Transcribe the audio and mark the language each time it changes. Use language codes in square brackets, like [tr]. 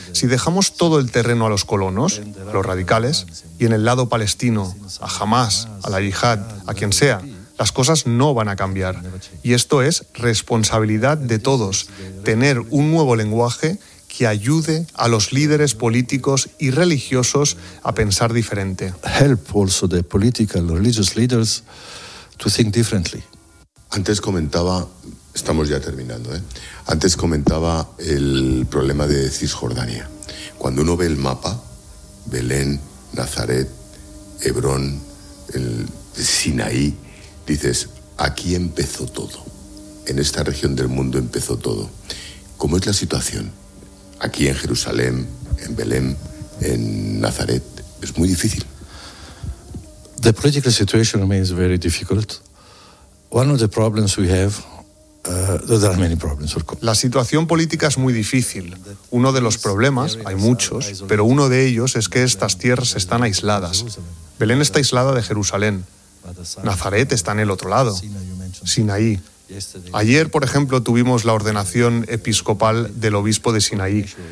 [es] Si dejamos todo el terreno a los colonos, a los radicales, y en el lado palestino, a Hamas, a la Yihad, a quien sea, las cosas no van a cambiar. Y esto es responsabilidad de todos, tener un nuevo lenguaje que ayude a los líderes políticos y religiosos a pensar diferente. [en] Help also the political and religious leaders to think differently. [es] Antes comentaba, estamos ya terminando, Antes comentaba el problema de Cisjordania. Cuando uno ve el mapa, Belén, Nazaret, Hebrón, el Sinaí, dices, aquí empezó todo, en esta región del mundo empezó todo. ¿Cómo es la situación aquí en Jerusalén, en Belén, en Nazaret? Es muy difícil. [en] The political situation remains very difficult. One of the problems we have, there are many problems. [es] La situación política es muy difícil. Uno de los problemas, hay muchos, pero uno de ellos es que estas tierras están aisladas. Belén está aislada de Jerusalén. Nazaret está en el otro lado, Sinaí. Ayer, por ejemplo, tuvimos la ordenación episcopal del obispo de Sinaí.